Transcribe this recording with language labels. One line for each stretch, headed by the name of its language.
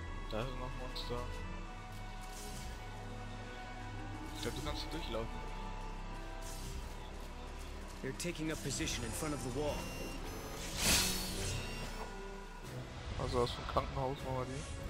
German: Da ist noch Monster. Ich glaube, du kannst durchlaufen.
English: They're taking a position in front of the wall.
German: Also aus dem Krankenhaus machen wir die.